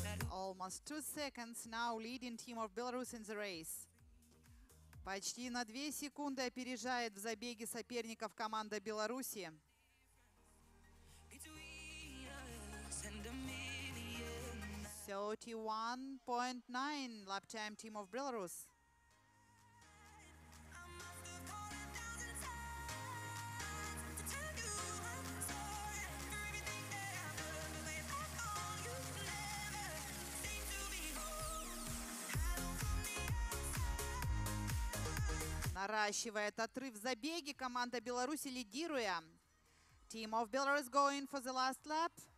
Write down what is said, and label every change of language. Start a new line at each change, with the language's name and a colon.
English: Almost 2 seconds now leading team of Belarus in the race.
Russian: Почти на 2 секунды опережает в забеге соперников команда Беларуси.
English: Thirty-1.9 lap time, team of Belarus.
Russian: Наращивает отрыв в забеге команда Беларуси, лидируя.
English: Team of Belarus going for the last lap.